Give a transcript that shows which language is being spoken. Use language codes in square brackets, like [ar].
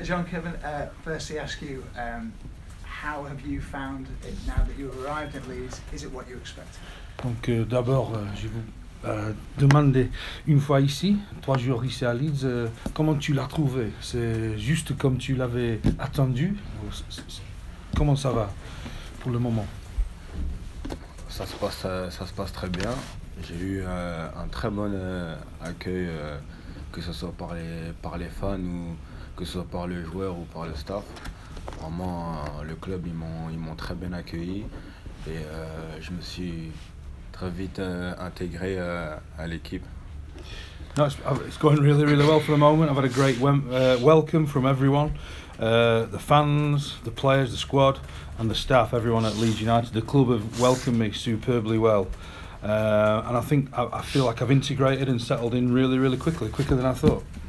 [en] John, Kevin, firstly ask you, how have you found it now that you've arrived in Leeds? Is it what you expected? [fr] Donc d'abord, je vous demander une fois ici, trois jours ici à Leeds, comment tu l'as trouvé? C'est juste comme tu l'avais attendu? Comment ça va pour le moment? Ça se passe très bien. J'ai eu un très bon accueil, que ce soit par les fans ou que ce soit par le joueur ou par le staff. Vraiment, le club, ils m'ont très bien accueilli et je me suis très vite intégré à l'équipe. [en] No, it's going really, really well for the moment. I've had a great welcome from everyone. The fans, the players, the squad and the staff, everyone at Leeds United. The club have welcomed me superbly well. And I think I feel like I've integrated and settled in really, really quickly, quicker than I thought.